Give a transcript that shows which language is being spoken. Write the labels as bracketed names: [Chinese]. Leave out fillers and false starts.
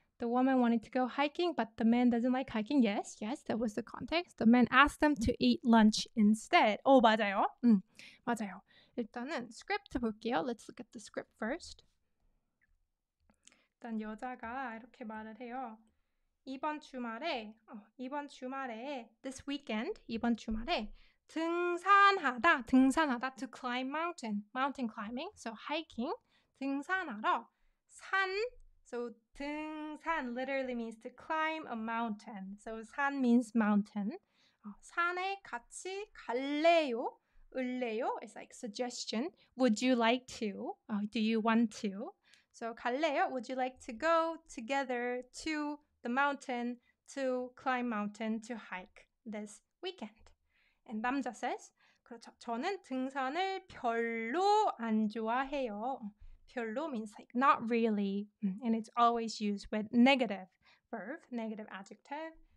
[English] The woman wanted to go hiking, but the man doesn't like hiking. Yes, yes, that was the context. The man asked them to eat lunch instead. [Korean] 오, 맞아요. 맞아요. 일단은 스크립트 볼게요. [English] Let's look at the script first. [Korean] 일단 여자가 이렇게 말을 해요. 이번 주말에, 이번 주말에, [English] this weekend, 이번 주말에, 등산하다, 등산하다, to climb mountain, mountain climbing, so hiking, 등산하러, 산, so 등산 literally means to climb a mountain, so 산 means mountain, [Korean] 산에 같이 갈래요, 을래요, [English] it's like suggestion, would you like to, do you want to, so 갈래요, would you like to go together to the mountain, to climb mountain, to hike this weekend. And 남자 says, [Korean] 그렇죠. 저는 등산을 별로 안 좋아해요. [English] 별로 means like not really. And it's always used with negative verb, negative adjective.